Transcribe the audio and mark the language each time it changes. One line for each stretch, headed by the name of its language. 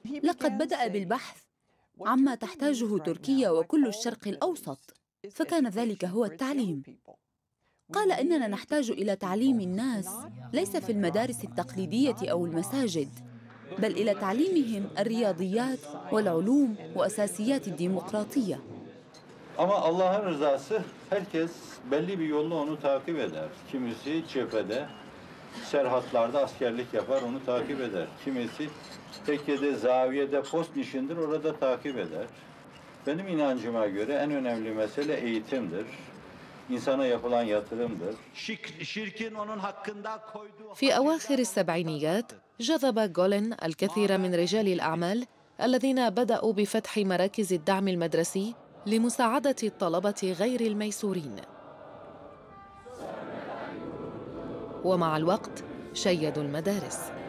Arabic: لقد بدأ بالبحث عما تحتاجه تركيا وكل الشرق الأوسط، فكان ذلك هو التعليم. قال إننا نحتاج إلى تعليم الناس ليس في المدارس التقليدية أو المساجد، بل إلى تعليمهم الرياضيات والعلوم وأساسيات الديمقراطية.
Turkish: أما الله رضاسه herkes belli bir yolla onu takip eder. Kimisi cephede, serhatlarda askerlik yapar, onu takip eder. Kimisi tekkede, zaviyede, post nişindir, orada takip eder. Benim inancıma göre en önemli mesele eğitimdir. İnsana yapılan yatırımdır. Şirkin onun hakkında koyduğu...
Arabic: في أواخر السبعينيات جذب جولن الكثير من رجال الأعمال الذين بدأوا بفتح مراكز الدعم المدرسي لمساعدة الطلبة غير الميسورين. ومع الوقت شيدوا المدارس.